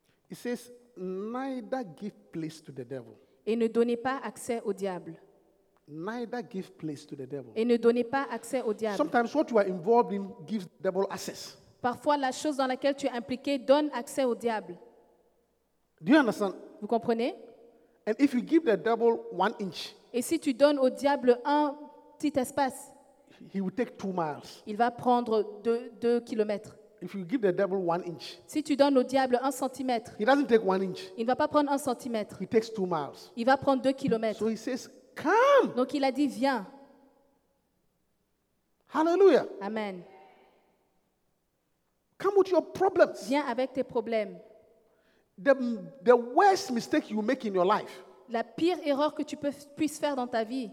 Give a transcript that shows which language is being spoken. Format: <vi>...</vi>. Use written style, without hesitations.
<en>It says, neither give place to the devil.</en> <fr>Et ne donnez pas accès au diable.</fr> <en>Neither give place to the devil.</en> <fr>Et ne donnez pas accès au diable.</fr> <en>Sometimes what you are involved in gives the devil access.</en> <fr>Parfois la chose dans laquelle tu es impliqué donne accès au diable.</fr> <en>Do you understand?</en> <fr>Vous comprenez?</fr> <en>And if you give the devil 1 inch.</en> <fr>Et si tu donnes au diable un petit espace.</fr> <en>He will take 2 miles.</en> <fr>Il va prendre 2 kilomètres.</fr> <en>If you give the devil 1 inch,</en> <fr>si tu donnes au diable 1 centimètre,</fr> <en>he doesn't take 1 inch.</en> <fr>Il ne va pas prendre 1 centimètre.</fr> <en>He takes 2 miles.</en> <fr>Il va prendre 2 kilomètres.</fr> <en>So he says, come.</en> <fr>Donc il a dit, viens.</fr> <en>Hallelujah.</en> <fr>Amen.</fr> <en>Come with your problems.</en> <fr>Viens avec tes problèmes.</fr> <en>The worst mistake you make in your life.</en> <fr>La pire erreur que tu puisses faire dans ta vie.</fr>